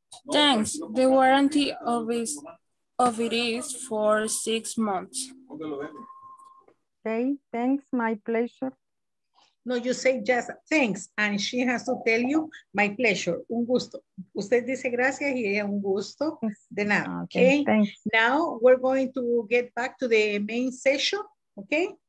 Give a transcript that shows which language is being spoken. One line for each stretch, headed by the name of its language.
English: Thanks. The warranty of it is for 6 months. Okay, thanks. My pleasure. No, you say just thanks, and she has to tell you my pleasure,
Spanish: un gusto. Usted dice gracias y ella un gusto, de nada, okay?
English: Okay? Now we're going to get back to the main session, okay?